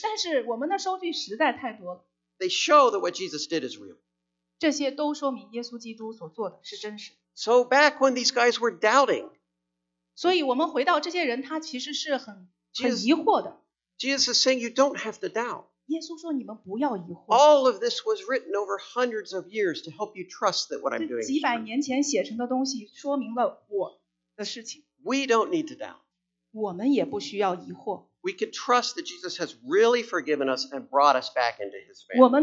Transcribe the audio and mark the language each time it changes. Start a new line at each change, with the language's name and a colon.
Chinese: 但是我们的收据实在太多了。
English: They show that what Jesus did is real.
Chinese: 这些都说明耶稣基督所做的是真实。
English: So back when these guys were doubting,
Chinese: 所以我们回到这些人，他其实是很疑惑的。
English: Jesus is saying you don't have to doubt.
Chinese: 耶稣说你们不要疑惑。
English: All of this was written over hundreds of years to help you trust that what I'm doing is true.
Chinese: 几百年前写成的东西说明了我的事情。
English: We don't need to doubt.
Chinese: 我们也不需要疑惑。
English: We can trust that Jesus has really forgiven us and brought us back into his family.